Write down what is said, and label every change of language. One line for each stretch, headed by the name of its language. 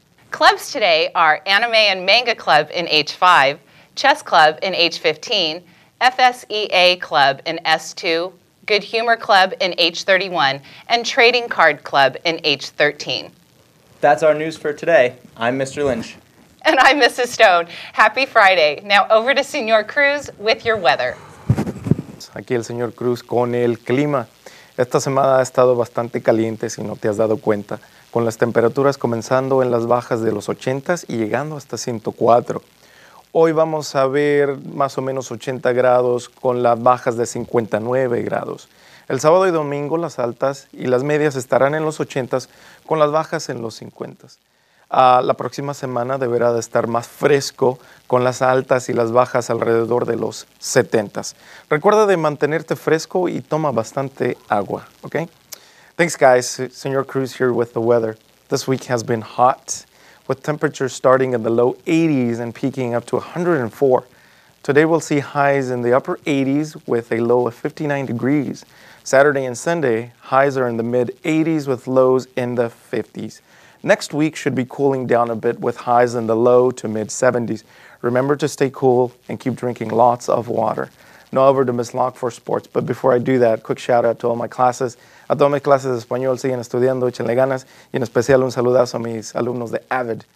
English: Clubs today are Anime and Manga Club in H5, Chess Club in H15, FSEA Club in S2, Good Humor Club in H31, and Trading Card Club in H13. That's our news for today. I'm Mr. Lynch. And I'm Mrs. Stone. Happy Friday. Now over to Señor Cruz with your weather.
Spanish: Aquí el Señor Cruz con el clima. Esta semana ha estado bastante caliente, si no te has dado cuenta, con las temperaturas comenzando en las bajas de los 80s y llegando hasta 104. Hoy vamos a ver más o menos 80 grados con las bajas de 59 grados. El sábado y domingo las altas y las medias estarán en los 80s con las bajas en los 50s. La próxima semana deberá de estar más fresco con las altas y las bajas alrededor de los 70s. Recuerda de mantenerte fresco y toma bastante agua, okay?
English: Thanks guys, Señor Cruz here with the weather. This week has been hot, with temperatures starting in the low 80s and peaking up to 104. Today we'll see highs in the upper 80s with a low of 59 degrees. Saturday and Sunday, highs are in the mid 80s with lows in the 50s. Next week should be cooling down a bit with highs in the low to mid 70s. Remember to stay cool and keep drinking lots of water. Now over to Ms. Locke for sports, but before I do that, quick shout out to all my classes.
Spanish: A todas mis clases de español, siguen estudiando, échenle ganas. Y en especial, un saludazo a mis alumnos de AVID.